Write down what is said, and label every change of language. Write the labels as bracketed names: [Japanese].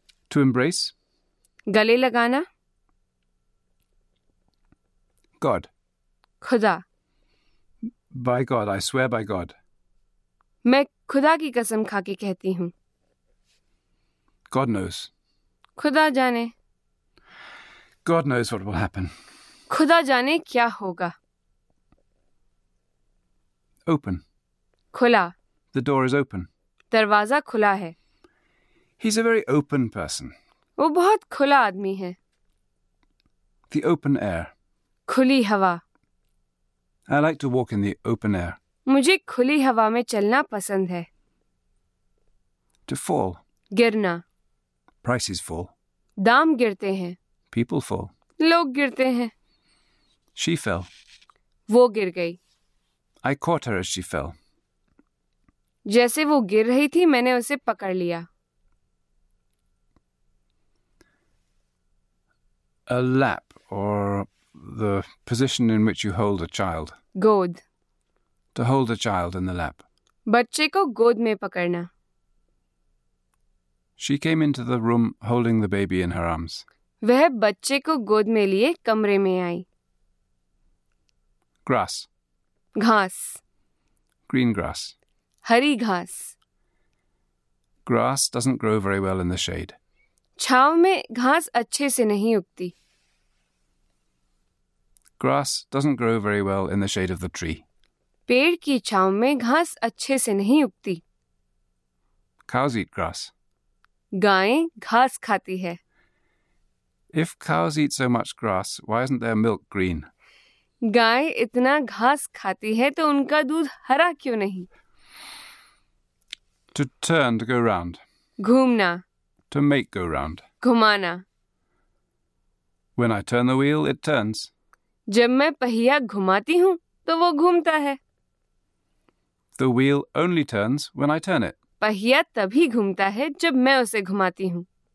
[English] To embrace. [Hindi] गले लगाना. [English] God. [Hindi] खुदा. [English] By God, I swear by God. [Hindi] मैं खुदा की कसम खा के कहती हूँ. [English] God knows. [Hindi] खुदा जाने. [English] God knows what will happen. [Hindi] खुदा जाने क्या होगा. [English] Open. [Hindi] खुला. [English] The door is open. [Hindi] दरवाजा खुला है. [English] He's a very open person. [Hindi] वो बहुत खुला आदमी है. [English] The open air. [Hindi] खुली हवा. [English] I like to walk in the open air. [Hindi] मुझे खुली हवा में चलना पसंद है. [English] To fall. [Hindi] गिरना. [English] Prices fall. [Hindi] दाम गिरते हैं. [English] People fall. [Hindi] लोग गिरते हैं. [English] She fell. [Hindi] वो गिर गई. [English] I caught her as she fell. [Hindi] जैसे वो गिर रही थी मैंने उसे पकड़ लिया. [English] A lap or the position in which you hold a child. [Hindi] गोद. [English] To hold a child in the lap. [Hindi] बच्चे को गोद में पकड़ना। [English] She came into the room holding the baby in her arms. [Hindi] वह बच्चे को गोद में लिए कमरे में आई। [English] Grass. [Hindi] घास। [English] Green grass. [Hindi] हरी घास। [English] Grass doesn't grow very well in the shade. [Hindi] छाव में घास अच्छे से नहीं उगती। [English] Grass doesn't grow very well in the shade of the tree. [Hindi] पेड़ की छाव में घास अच्छे से नहीं उगती। [English] Cows eat grass. [Hindi] गायें घास खाती है। [English] If cows eat so much grass, why isn't their milk green? [Hindi] गाय इतना घास खाती है तो उनका दूध हरा क्यों नहीं? [English] To turn, to go round. [Hindi] घूमना। [English] To make go round. [Hindi] घुमाना। [English] When I turn the wheel, it turns. [Hindi] जब मैं पहिया घुमाती हूँ तो वो घूमता है। [English] The wheel only turns when I turn it. [Hindi] पहिया तभी घूमता है जब मैं उसे घुमाती हूँ।